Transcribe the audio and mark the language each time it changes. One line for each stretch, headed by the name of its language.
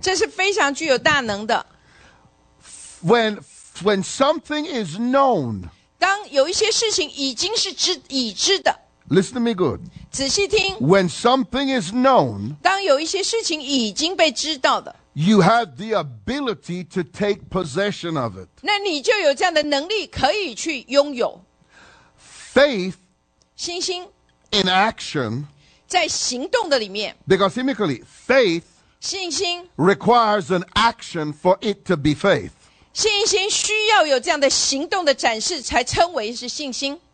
Chinese: 这是非常具有大能的。
English: When something is known,
Chinese: 当有一些事情已经是已知的。
English: Listen to me good.
Chinese: 仔细听。
English: When something is known,
Chinese: 当有一些事情已经被知道的。
English: You have the ability to take possession of it.
Chinese: 那你就有这样的能力可以去拥有。
English: Faith,
Chinese: 信心
English: in action,
Chinese: 在行动的里面。
English: Because chemically, faith,
Chinese: 信心
English: requires an action for it to be faith.
Chinese: 信心需要有这样的行动的展示才称为是信心。